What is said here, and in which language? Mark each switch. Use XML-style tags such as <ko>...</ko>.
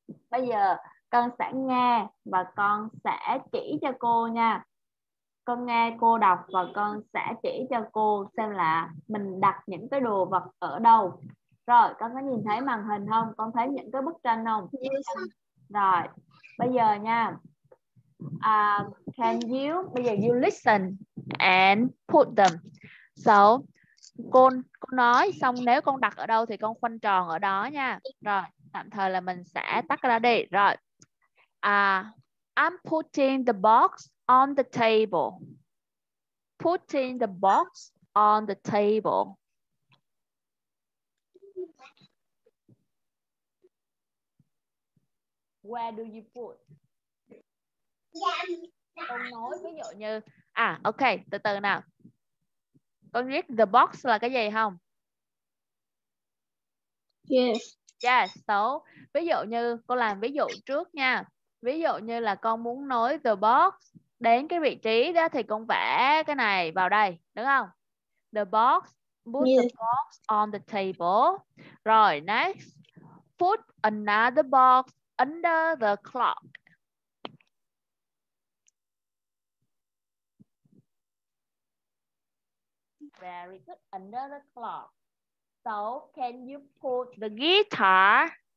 <vi>Bây giờ con sẽ nghe và con sẽ chỉ cho cô nha. Con nghe cô đọc và con sẽ chỉ cho cô xem là mình đặt những cái đồ vật ở đâu. Rồi, con có nhìn thấy màn hình không? Con thấy những cái bức tranh không? Rồi, bây giờ nha.</vi> <en>Can you,</en> <vi>bây giờ</vi> <en>you listen and put them.</en> <vi>So, cô nói xong nếu con đặt ở đâu thì con khoanh tròn ở đó nha. Rồi, tạm thời là mình sẽ tắt ra đi. Rồi.</vi> <en>I'm putting the box on the table. Putting the box on the table. Where do you put?</en> <vi>Con nói ví dụ như ok, từ từ nào. Con biết the box là cái gì không?</vi> <en>Yes.</en> <vi>So, ví dụ như con làm ví dụ trước nha. Ví dụ như là con muốn nối the box đến cái vị trí đó thì con vẽ cái này vào đây, đúng không?</vi> <en>The box, put the box on the table.</en> <vi>Rồi,</vi> <en>next. Put another box under the clock. Very good, under the clock. So, can you put the guitar?</en>